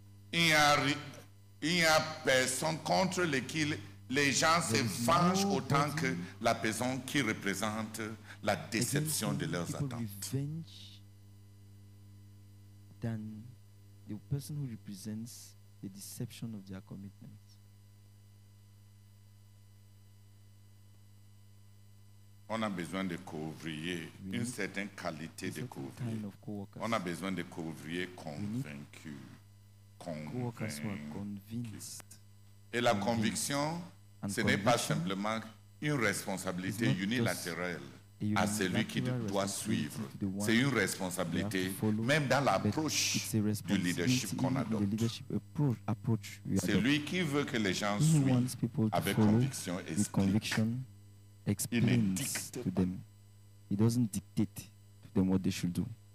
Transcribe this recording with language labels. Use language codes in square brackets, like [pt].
[fr] Il n'y a personne contre lequel les gens se fâchent autant que la personne qui représente la déception de leurs attentes. [en] Than the person who represents the deception of their commitments. [fr] On a besoin de co-ouvriers, une certaine qualité de co-ouvriers. On a besoin de co-ouvriers convaincus. [en] Co-workers who are convinced. [fr] Et la conviction, ce n'est pas simplement une responsabilité unilatérale à celui qui doit suivre. C'est une responsabilité même dans l'approche du leadership qu'on adopte. Celui qui veut que les gens suivent avec conviction explique. Il ne dicte [en] to them. He doesn't dictate to them what they should do.